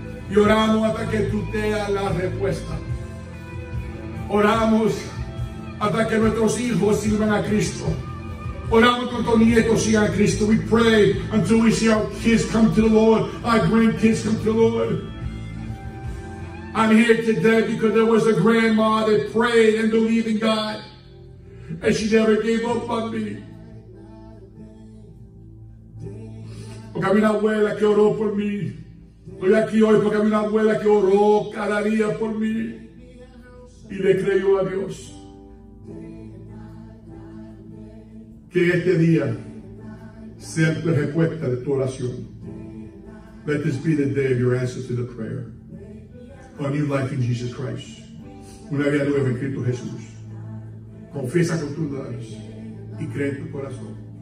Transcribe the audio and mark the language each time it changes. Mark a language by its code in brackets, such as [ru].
[es] Y oramos hasta que tú tengas la respuesta. Oramos hasta que nuestros hijos sirvan a Cristo. Oramos con todos nietos y a Cristo. [en] We pray until we see our kids come to the Lord, our grandkids come to the Lord. I'm here today because there was a grandma that prayed and believed in God, and she never gave up on me. [es] Porque había una abuela que oró por mí. Estoy aquí hoy porque había una abuela que oró cada día por mí y le creyó a Dios. Que este día sea la respuesta de tu oración. [en] Let this be the day of your answer to the prayer. A new life in Jesus Christ. [es] Una vida nueva en Cristo Jesús. Confiesa con tus labios y cree en tu corazón.